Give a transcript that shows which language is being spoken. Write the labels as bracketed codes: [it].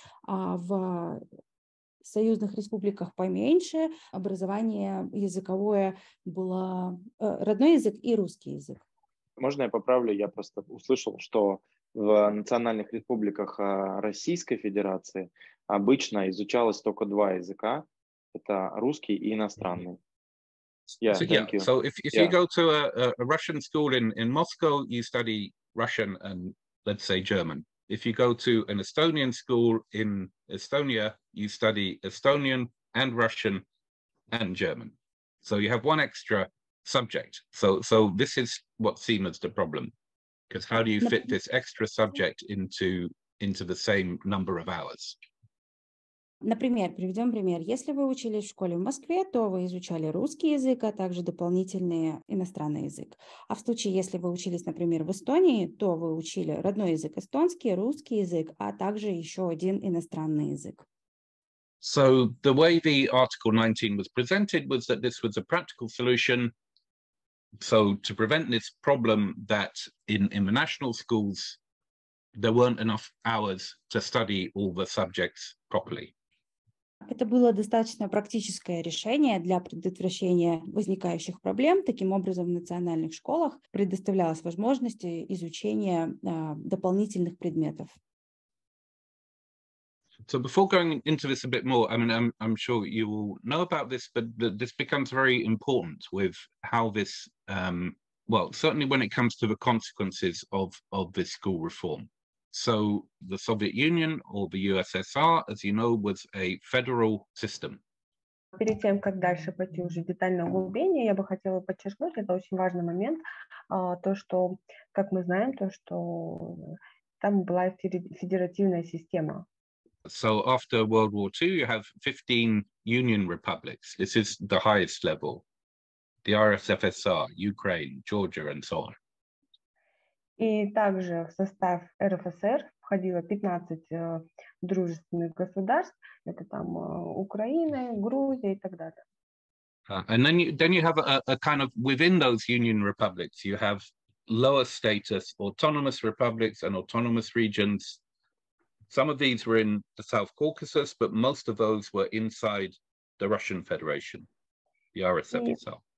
[ru] А в союзных республиках поменьше образование языковое было родной язык и русский язык. Можно я поправлю? Я просто услышал, что в национальных республиках Российской Федерации обычно изучалось только два языка. Это русский и иностранный. [en] So if you go to a Russian school in Moscow, you study Russian and, let's say, German. If you go to an Estonian school in Estonia, you study Estonian and Russian and German. So you have one extra subject. So this is what seems as the problem. Because how do you fit this extra subject into the same number of hours? [ru] Например, приведем пример. Если вы учились в школе в Москве, то вы изучали русский язык, а также дополнительный иностранный язык. А в случае, если вы учились, например, в Эстонии, то вы учили родной язык эстонский, русский язык, а также еще один иностранный язык. [en] So the way the article 19 was presented was that this was a practical solution. So to prevent this problem that in the national schools there weren't enough hours to study all the subjects properly. [ru] Это было достаточно практическое решение для предотвращения возникающих проблем. Таким образом, в национальных школах предоставлялась возможность изучения дополнительных предметов. [en] So before going into this a bit more, I mean, I'm sure you will know about this, but this becomes very important with how this, certainly when it comes to the consequences of this school reform. So the Soviet Union, or the USSR, as you know, was a federal system. [ru] Перед тем, как дальше пойти уже детально в углубление, я бы хотела подчеркнуть, это очень важный момент, то, что, как мы знаем, то, что там была федеративная система. [en] So after World War II, you have 15 union republics. This is the highest level. The RSFSR, Ukraine, Georgia, and so on. [ru] И также в состав РФСР входило 15 дружественных государств. Это там Украина, Грузия и так далее. [en] And then you have a kind of within those union republics, you have lower status autonomous republics and autonomous regions. Some of these were in the South Caucasus, but most of those were inside the Russian Federation, the RSFSR.